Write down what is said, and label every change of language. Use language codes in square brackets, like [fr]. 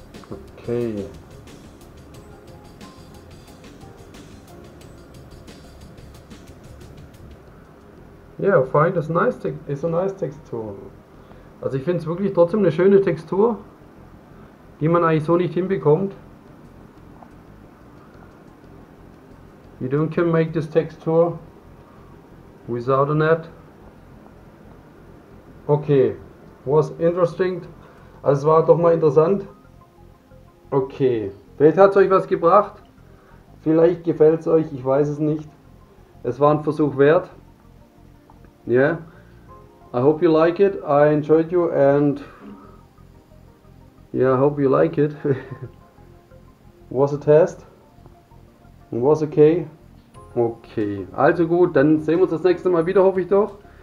[en] Okay. Yeah, fine, it's nice, it's a nice texture. [de] Also ich finde es wirklich trotzdem eine schöne Textur, die man eigentlich so nicht hinbekommt. [en] You don't can make this texture without a net. Okay, was interesting. [de] Also es war doch mal interessant. Okay, vielleicht hat es euch was gebracht. Vielleicht gefällt es euch, ich weiß es nicht. Es war ein Versuch wert. [en] Yeah, I hope you like it. I enjoyed you and yeah, I hope you like it. Was a test. Was okay. [de] Okay, also gut, dann sehen wir uns das nächste Mal wieder, hoffe ich doch.